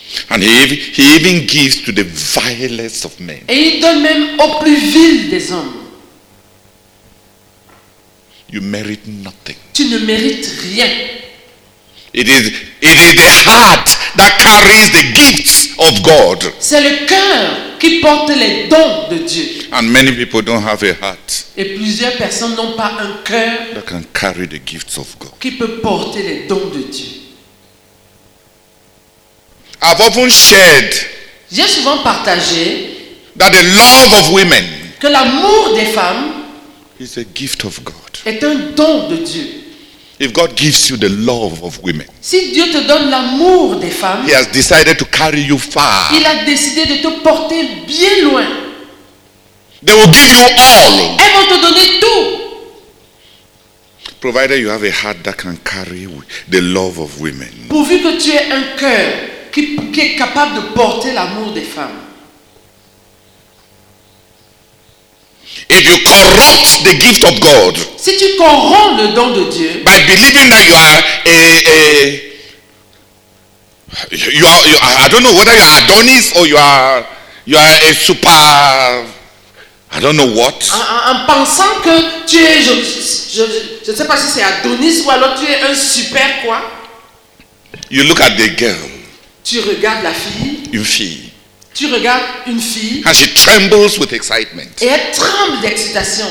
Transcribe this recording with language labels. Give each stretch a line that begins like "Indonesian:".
English: And he even gives to the vilest of men.
French: Et il donne même au plus vil des hommes.
English: You merit nothing.
French: Tu ne mérites rien.
English: It is the heart that carries the gifts of God.
French: C'est le cœur qui porte les dons de Dieu.
English: And many people don't have a heart.
French: Et plusieurs personnes n'ont pas un cœur
English: that can carry the gifts of God.
French: Qui peut porter les dons de Dieu.
English: I've often shared.
French: J'ai souvent partagé.
English: That the love of women.
French: Que l'amour des femmes.
English: Is a gift of God.
French: Est un don de Dieu.
English: If God gives you the love of women.
French: Si Dieu te donne l'amour des femmes.
English: He has decided to carry you far.
French: Il a décidé de te porter bien loin.
English: They will give you all.
French: Elles vont te donner tout.
English: Provided you have a heart that can carry the love of women.
French: Pourvu que tu aies un cœur. Qui est capable de porter l'amour des femmes.
English: If you corrupt the gift of God,
French: si tu corromps le don de Dieu,
English: by believing that you are a, I don't know whether you are Adonis or you are a super, I don't know what.
French: En pensant que tu es, je ne sais pas si c'est Adonis ou alors tu es un super quoi.
English: You look at the girl.
French: Tu regardes la fille. Une fille. Tu regardes une fille.
English: And she trembles with excitement.
French: Et elle tremble d'excitation.